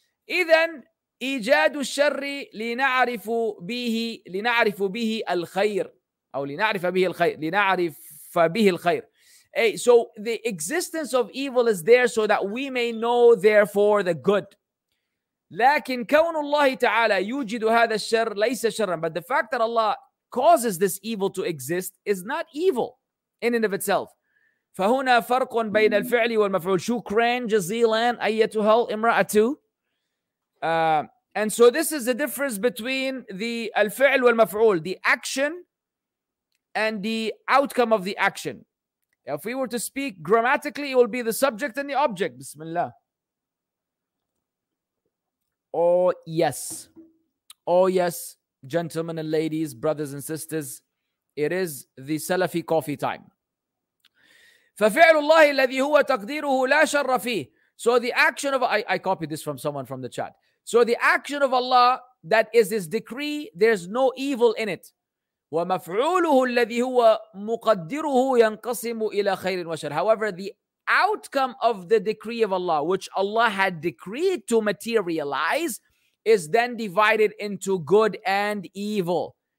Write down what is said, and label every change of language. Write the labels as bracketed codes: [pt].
[ar] إذن إيجاد الشر لنعرف به الخير [en] أو لنعرف به الخير Hey, so the existence of evil is there so that we may know therefore the good. [ar] لكن كون الله تعالى يوجد هذا الشر ليس شرا. [en] But the fact that Allah causes this evil to exist is not evil in and of itself. [ar] فهنا فرق بين الفعل والمفعول. شكراً جزيلاً أيتها الإمرأة. [en] And so this is the difference between the [ar] الفعل والمفعول, [en] the action and the outcome of the action. If we were to speak grammatically, it will be the subject and the object. Bismillah. Oh yes. Oh yes, gentlemen and ladies, brothers and sisters. It is the Salafi coffee time. [ar] ففعل الله الذي هو تقديره لا شر فيه. [en] So the action of I copied this from someone from the chat. So the action of Allah, that is His decree, there's no evil in it. [ar] ومفعوله الذي هو مقدره ينقسم إلى خير وشر. [en] However, the outcome of the decree of Allah, which Allah had decreed to materialize, is then divided into good and evil.